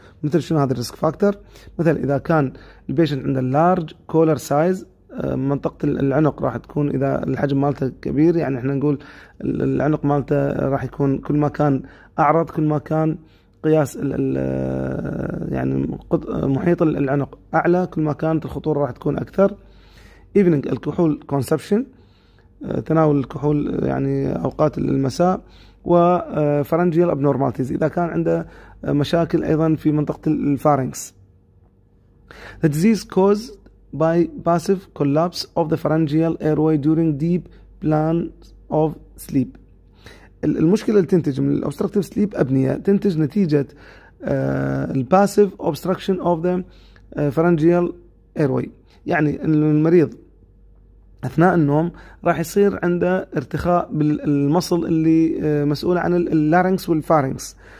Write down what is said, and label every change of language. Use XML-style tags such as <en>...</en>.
<ar>مثل شنو هذا الريسك فاكتور؟ مثل اذا كان البيشنت عنده لارج كولر سايز، منطقه العنق راح تكون اذا الحجم مالته كبير، يعني احنا نقول العنق مالته راح يكون كل ما كان اعرض كل ما كان قياس يعني محيط العنق اعلى كل ما كانت الخطوره راح تكون اكثر. ايفنينج الكحول كونسبشن، تناول الكحول يعني اوقات المساء، وفرنجيال ابنورمالتيز اذا كان عنده مشاكل ايضا في منطقه الفارينكس.</ar> <en>The disease caused by passive collapse of the pharyngeal airway during deep plan of sleep.</en> <ar>المشكلة اللي تنتج من الأوبستركتيف سليب أبنية تنتج نتيجة الباسيف أوبستركشن أوف ذا فرنجيال إيرواي، يعني المريض أثناء النوم راح يصير عنده ارتخاء بالمصل اللي مسؤول عن اللارينكس والفارينكس.</ar>